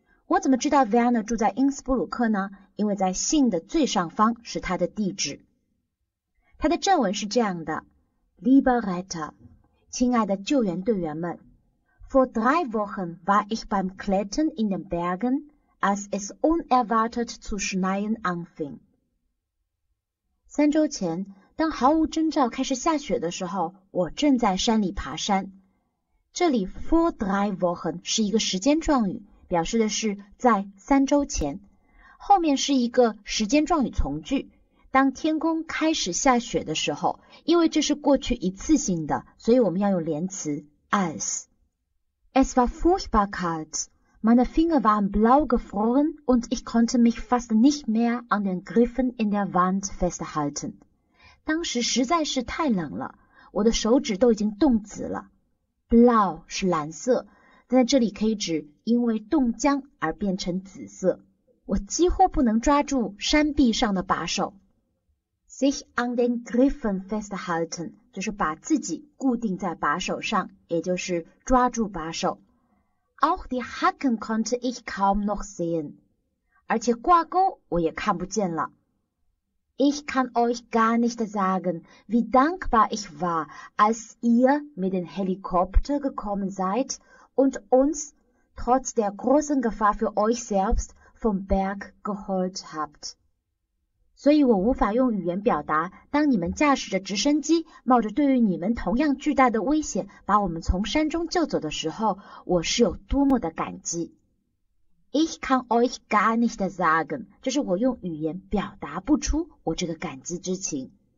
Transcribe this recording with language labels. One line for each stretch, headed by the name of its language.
Chinese: 我怎么知道 Vienna 住在因斯布鲁克呢？因为在信的最上方是他的地址。他的正文是这样的
German: Lieber Retter，
Chinese: 亲爱的救援队员们，
German: Vor drei Wochen war ich beim Klettern in den Bergen, als es unerwartet zu schneien anfing.
Chinese: 三周前，当毫无征兆开始下雪的时候，我正在山里爬山。这里
German: Vor drei Wochen
Chinese: 是一个时间状语，表示的是在三周前，后面是一个时间状语从句，当天空开始下雪的时候，因为这是过去一次性的，所以我们要用连词 as。
German: Es war furchtbar kalt. Meine Finger waren blau gefroren und ich konnte mich fast nicht mehr an den Griffen in der Wand festhalten.
Chinese: 当时实在是太冷了，我的手指都已经冻紫了。 Blau 是蓝色，在这里可以指因为冻僵而变成紫色，我几乎不能抓住山壁上的把手。
German: Sich an den Griffen festhalten
Chinese: 就是把自己固定在把手上，也就是抓住把手。
German: Auch die Hacken konnte ich kaum noch sehen，
Chinese: 而且挂钩我也看不见了。
German: Ich kann euch gar nicht sagen, wie dankbar ich war, als ihr mit dem Helikopter gekommen seid und uns, trotz der großen Gefahr für euch selbst, vom Berg geholt habt.
Chinese: 所以我无法用语言表达，当你们驾驶着直升机，冒着对于你们同样巨大的危险，把我们从山中救走的时候，我是有多么的感激。
German: Ich kann euch gar nicht sagen，
Chinese: 就是我用语言表达不出我这个感激之情。